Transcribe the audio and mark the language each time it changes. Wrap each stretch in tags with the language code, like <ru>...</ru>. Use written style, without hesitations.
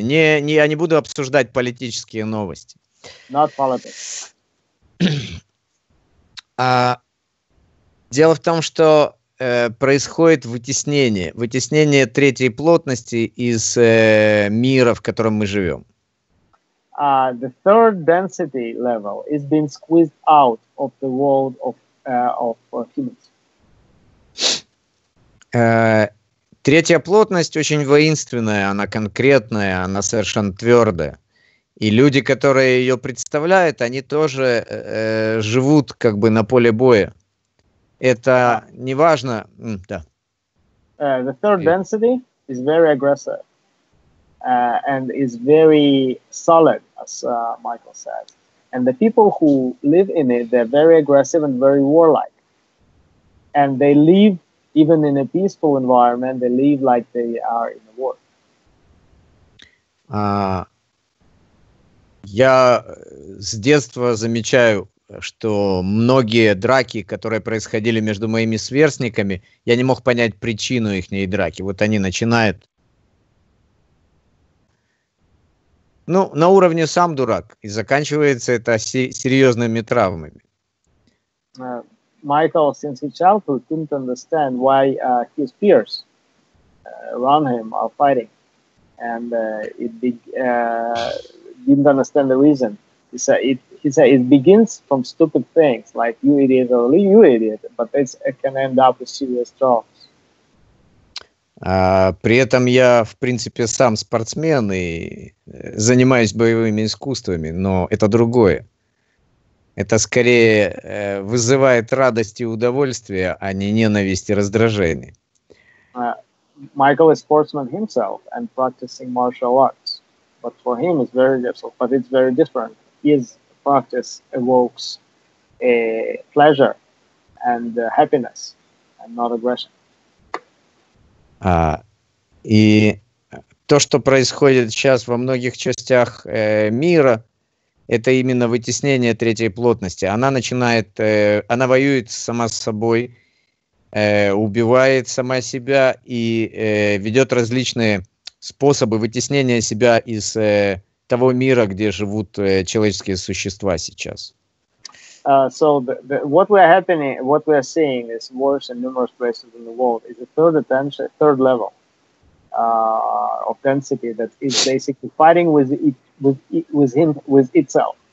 <ru>Я не буду обсуждать политические новости.</ru> <en>Not politics.</en> <ru>Дело в том, что происходит вытеснение. Вытеснение третьей плотности из мира, в котором мы живем.</ru> <en>The third density level is being squeezed out of the world of humans.</en> <ru>Третья плотность очень воинственная, она конкретная, она совершенно твердая. И люди, которые ее представляют, они тоже живут как бы на поле боя. Это неважно. Да.</ru> <en>The third density is very aggressive and is very solid, as Michael said. And the people who live in it, they're very aggressive and very warlike. And they live, even in a peaceful environment, they live like they are in a war.</en> <ru>Я с детства замечаю, что многие драки, которые происходили между моими сверстниками, я не мог понять причину их драки. Вот они начинают. Ну, на уровне сам дурак, и заканчивается это серьезными травмами.</ru> <en>Michael, since his childhood, couldn't understand why his peers around him are fighting. And didn't understand the reason. He said it begins from stupid things, like you idiot or you idiot, but it can end up with serious trauma.</en> <ru>При этом я, в принципе, сам спортсмен и занимаюсь боевыми искусствами, но это другое. Это скорее вызывает радость и удовольствие, а не ненависть и раздражение.</ru> <en>Michael is a sportsman himself and practicing martial arts. But for him it's very different. But it's very different. His practice evokes a pleasure and happiness and not aggression.</en> <ru>И то, что происходит сейчас во многих частях мира, это именно вытеснение третьей плотности. Она начинает, она воюет сама с собой, убивает сама себя и ведет различные способы вытеснения себя из того мира, где живут человеческие существа сейчас.</ru> <en>What we are seeing is wars in numerous places in the world is a third level of density that is basically fighting with itself.</en>